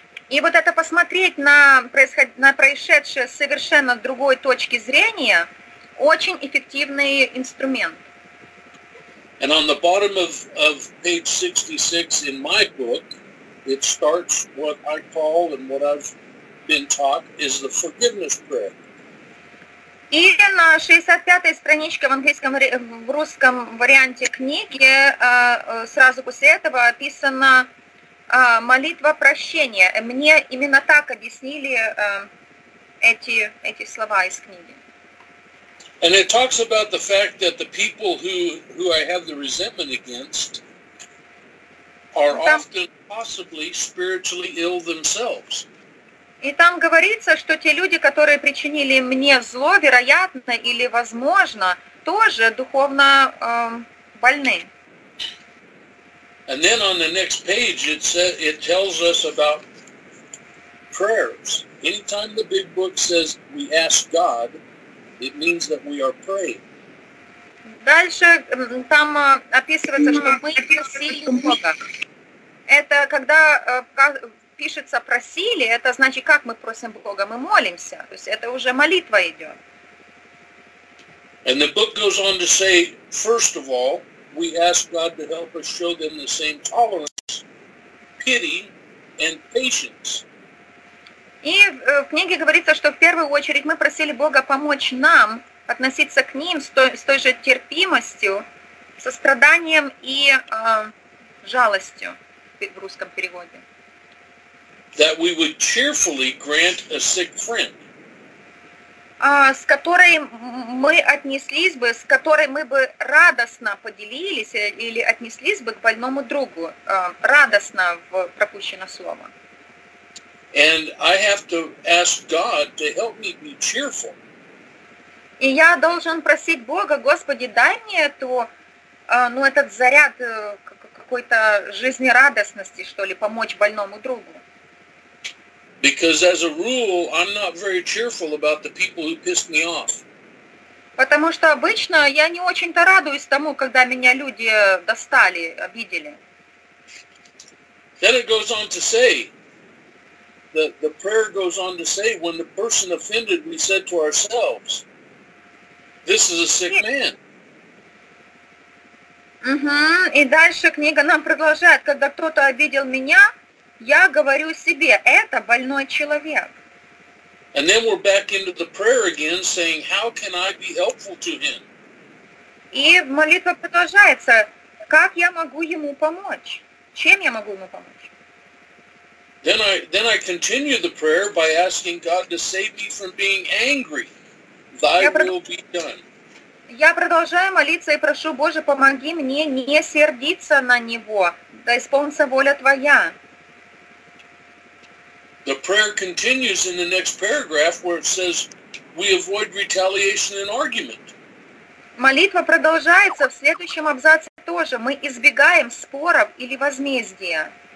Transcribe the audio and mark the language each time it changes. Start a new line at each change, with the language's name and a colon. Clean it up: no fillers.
Russian: И вот это посмотреть на происшедшее с совершенно другой точки зрения, очень эффективный инструмент.
English: And on the bottom of page 66 in my book, it starts what I call and what I've been taught is the forgiveness prayer.
Russian: И на 65-й страничке в английском, в русском варианте книги, сразу после этого описана молитва прощения. Мне именно так объяснили эти слова из книги.
English: And it talks about the fact that the people who I have the resentment against are often possibly spiritually ill themselves.
Russian: И там говорится, что те люди, которые причинили мне зло, вероятно или возможно, тоже духовно больны.
English: And then on the next page it tells us about prayers. Anytime the big book says we ask God, it means that we are praying.
Russian: Дальше там описывается, что мы просили Бога. Это когда пишется просили, это значит, как мы просим Бога, мы молимся. То есть это уже молитва идет.
English: And the book goes on to say, first of all, we ask God to help us show them the same tolerance, pity, and patience.
Russian: И в книге говорится, что в первую очередь мы просили Бога помочь нам относиться к ним с той же терпимостью, состраданием и жалостью в русском переводе.
English: That we would cheerfully grant a sick friend.
Russian: С которой мы отнеслись бы, с которой мы бы радостно поделились или отнеслись бы к больному другу, радостно в пропущено слово.
English: And I have to ask God to help me be cheerful.
Russian: И я должен просить Бога, Господи, дай мне эту, ну, этот заряд какой-то жизнерадостности, что ли, помочь больному другу.
English: Because as a rule, I'm not very cheerful about the people who pissed me off.
Russian: Потому что обычно я не очень-то радуюсь тому, когда меня люди достали, обидели.
English: Then it goes on to say, the prayer goes on to say, when the person offended, we said to ourselves, this is a sick man.
Russian: И дальше книга нам продолжает, когда кто-то обидел меня, я говорю себе, это больной человек.
English: And then we're back into the prayer again, saying, how can I be helpful to him?
Russian: И молитва продолжается. Как я могу ему помочь? Чем я могу ему помочь?
English: Then I continue the prayer by asking God to save me from being angry. Thy will be done.
Russian: Я продолжаю молиться и прошу, Боже, помоги мне не сердиться на него. Да исполнится воля Твоя.
English: The prayer continues in the next paragraph where it says, we avoid retaliation and argument.
Russian: Молитва продолжается в следующем абзаце тоже. Мы избегаем споров или возмездия.